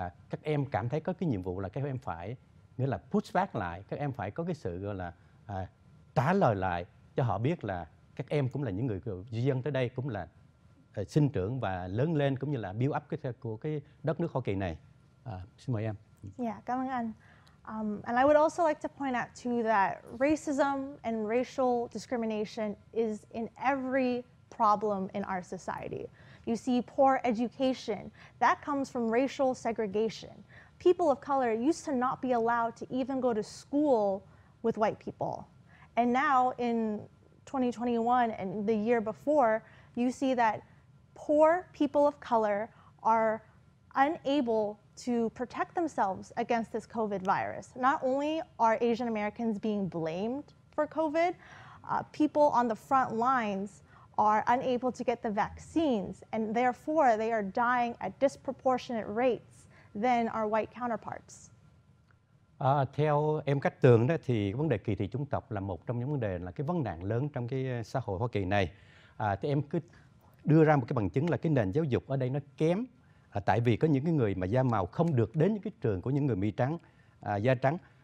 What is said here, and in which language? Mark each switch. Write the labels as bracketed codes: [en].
[vi] các em cảm thấy có cái nhiệm vụ là các em phải, nghĩa là [en] push back [vi] lại, các em phải có cái sự gọi là trả lời lại cho họ biết là các em cũng là những người di dân tới đây, cũng là sinh trưởng và lớn lên cũng như là [en] build up [vi] của cái đất nước Hoa Kỳ này. Xin mời em. Yeah, cảm ơn anh. [en] And I would also like to point out too that racism and racial discrimination is in every problem in our society. You see poor education, that comes from racial segregation. People of color used to not be allowed to even go to school with white people. And now in 2021 and the year before, you see that poor people of color are unable to protect themselves against this COVID virus. Not only are Asian Americans being blamed for COVID, people on the front lines are unable to get the vaccines, and therefore they are dying at disproportionate rates than our white counterparts. [vi] Theo em Cát Tường đó thì vấn đề kỳ thị chủng tộc là một trong những vấn đề là cái vấn nạn lớn trong cái xã hội Hoa Kỳ này. Thì em cứ đưa ra một cái bằng chứng là cái nền giáo dục ở đây nó kém, tại vì có những cái người mà da màu không được đến những cái trường của những người mỹ trắng, da trắng.